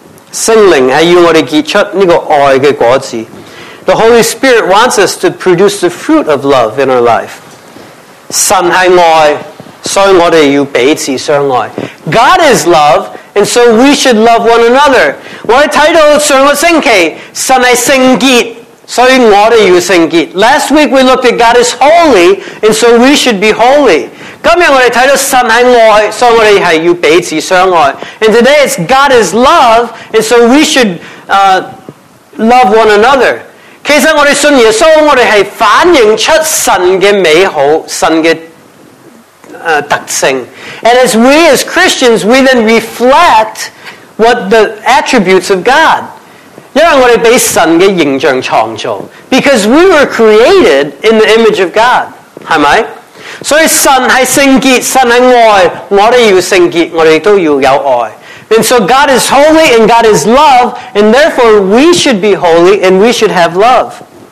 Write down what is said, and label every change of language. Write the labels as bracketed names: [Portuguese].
[Chinese] 圣灵是要我们结出这个爱的果子。 [English] The Holy Spirit wants us to produce the fruit of love in our life. [Chinese] 神是爱, 所以我们要彼此相爱。 [English] God is love, and so we should love one another. [Chinese] 我的title上个星期, 神是圣洁, 所以我们要圣洁。 [English] Last week we looked at God is holy, and so we should be holy. [Chinese] 今天我们看到, 神是爱, 所以我们要彼此相爱。 [English] And today it's God is love, and so we should love one another. [Chinese] 其实我们信耶稣,我们是反映出神的美好,神的特性。 [English] And as we as Christians, we then reflect what the attributes of God. [Chinese] 因为我们被神的形象创造。 [English] Because we were created in the image of God. [Chinese] 是不是? 所以神是圣洁,神是爱,我们要圣洁,我们也要有爱。 [English] And so God is holy and God is love, and therefore we should be holy and we should have love.